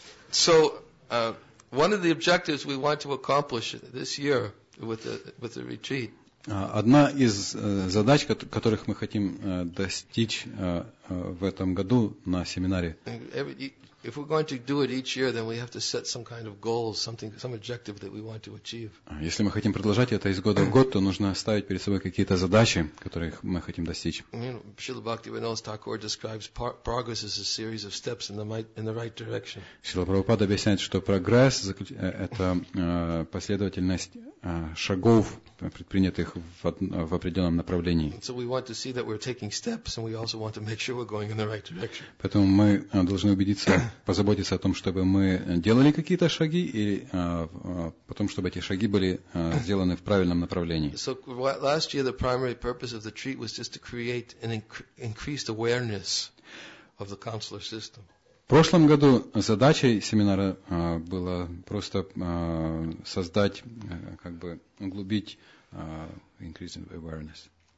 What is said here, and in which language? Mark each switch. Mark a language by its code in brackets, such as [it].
[en] So, one of the objectives we want to accomplish this year with the retreat. [ru] Одна из задач, которых мы хотим достичь в этом году на семинаре. [en] If we're going to do it each year, then we have to set some kind of goals, something, some objective that we want to achieve. [ru] Если мы хотим продолжать это из года в год, то нужно ставить перед собой какие-то задачи, которых мы хотим достичь. [en] Srila Bhaktivinoda Thakur describes progress as a series of steps in the right direction. [ru] Srila Prabhupada объясняет, что прогресс – это последовательность шагов, предпринятых в определенном направлении. [en] So we want to see that we're taking steps, and we also want to make sure we're going in the right direction. [ru] Поэтому мы должны убедиться, позаботиться о том, чтобы мы делали какие-то шаги, и потом, чтобы эти шаги были сделаны в правильном направлении. [en] So last year the primary purpose of the retreat was just to create an increased awareness of the consular system. [ru] В прошлом году задачей семинара было просто создать, как бы углубить, [en] increasing awareness.